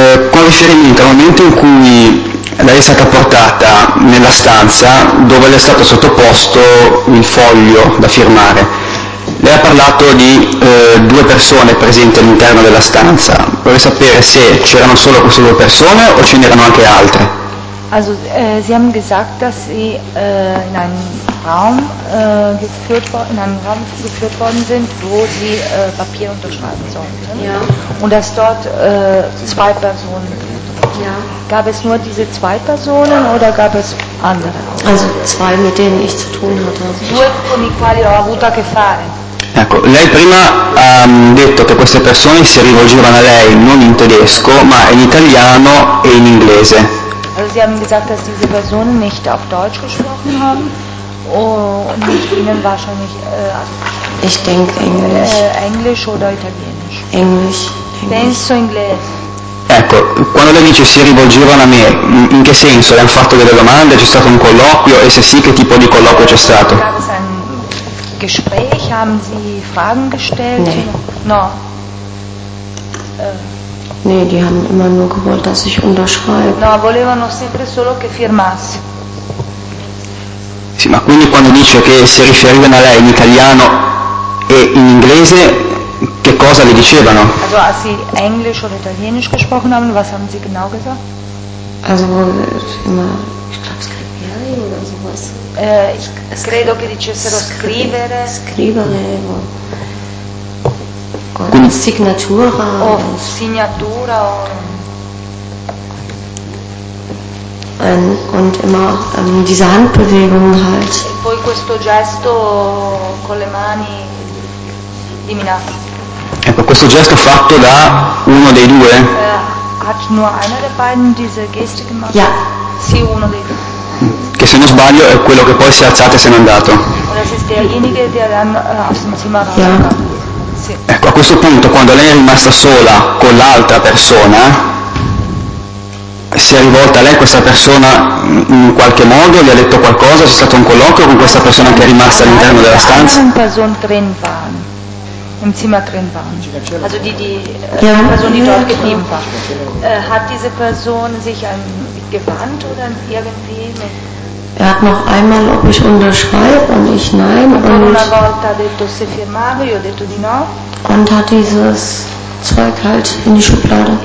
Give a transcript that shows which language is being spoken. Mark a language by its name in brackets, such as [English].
[Italian] Con riferimento al momento in cui lei è stata portata nella stanza dove le è stato sottoposto il foglio da firmare, lei ha parlato di due persone presenti all'interno della stanza. Vorrei sapere se c'erano solo queste due persone o ce n'erano anche altre. [German] Also, Sie haben gesagt, dass Sie in einen Raum geführt worden, in einen Raum geführt worden sind, wo Sie Papier unterschreiben sollten. Ja. Und dass dort zwei Personen. Ja. Gab es nur diese zwei Personen oder gab es andere? Also zwei, mit denen ich zu tun hatte. [Italian] Due con i quali ho avuto a che fare. Ecco, lei prima ha detto che queste persone si rivolgevano a lei non in tedesco, ma in italiano e in inglese. [German] Also Sie haben gesagt, dass diese Personen nicht auf Deutsch gesprochen haben und Ihnen wahrscheinlich ich denke Englisch. Englisch oder Italienisch. Englisch. [Italian] Penso inglese. Ecco, quando lei dice si rivolgevano a me, in che senso? Le hanno fatto delle domande? C'è stato un colloquio? E se sì, che tipo di colloquio c'è stato? [German] Gespräch, haben Sie Fragen gestellt? Nee. [Italian] No. [German] Nee, die haben immer nur gewollt, dass ich unterschreibe. [Italian] No, volevano sempre solo che firmassi. Sì, ma quindi quando dice che si riferivano a lei in italiano e in inglese, che cosa le dicevano? [German] Also, als sie Englisch oder Italienisch gesprochen haben, was haben sie genau gesagt? Also, immer, ich glaube, scrivere oder sowas. [Italian] Credo che dicessero scrivere. Scrivere, con signatura o signatura o [German] und immer diese Handbewegung halt. [Italian] E poi questo gesto con le mani di minaccia. Ecco, questo gesto fatto da uno dei due. [German] Hat nur einer der beiden diese Geste gemacht? Ja. [Italian] Sì, uno dei due. Che se non sbaglio è quello che poi si è alzato e se n'è andato. [German] Ja. [Italian] Ecco, a questo punto, quando lei è rimasta sola con l'altra persona, si è rivolta a lei questa persona in qualche modo, gli ha detto qualcosa, c'è stato un colloquio con questa persona che è rimasta all'interno della stanza? Una persona [German] drin war, im Zimmer drin war, also die Person, die dort geblieben war. Hat diese Person sich gewandt oder irgendwie? Er hat noch einmal, ob ich unterschreibe, und ich nein. Und hat dieses Zeug halt in die Schublade.